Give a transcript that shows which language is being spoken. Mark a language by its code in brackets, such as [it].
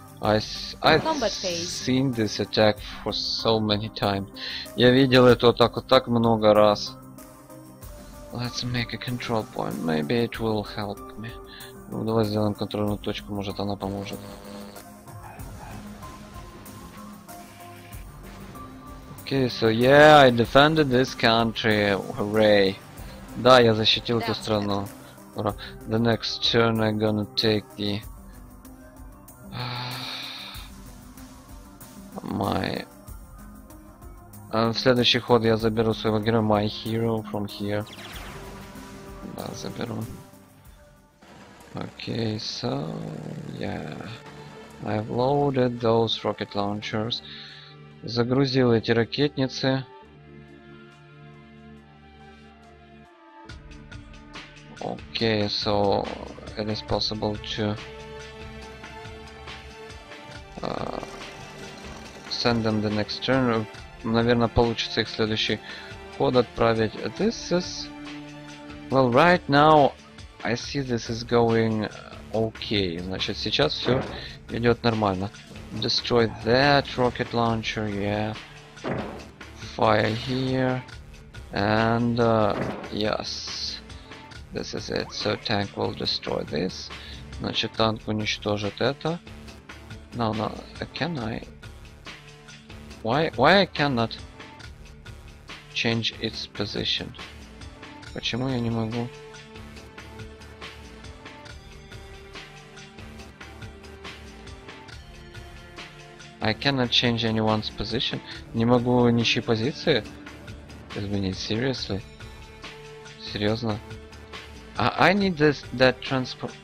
[en] I've seen this attack for so many times. [ru] Я видел эту атаку так много раз. [en] Let's make a control point. Maybe it will help me. [ru] Ну, давай сделаем контрольную точку, может она поможет. [en] Okay, so yeah, I defended this country. [ru] Hooray. Да, я защитил эту страну. Ура. [en] The next turn I'm gonna take the my. [ru] В следующий ход я заберу своего героя My Hero from here. Да, заберу. [en] Okay, so yeah. I've loaded those rocket launchers. [ru] Загрузил эти ракетницы. [en] Okay, so it is possible to send them the next turn. [ru] Наверное, получится их следующий ход отправить. [en] This is. Well, right now I see this is going okay. [ru] Значит, сейчас все идет нормально. [en] Destroy that rocket launcher, yeah. Fire here. And yes. This is it. So tank will destroy this. [ru] Значит, танк уничтожит это. [en] No, can I? Why I cannot change its position? [ru] Почему я не могу? [en] I cannot change anyone's position. [ru] Не могу ничьей позиции изменить. [en] Seriously? [ru] Серьезно? [en] I need this that transport.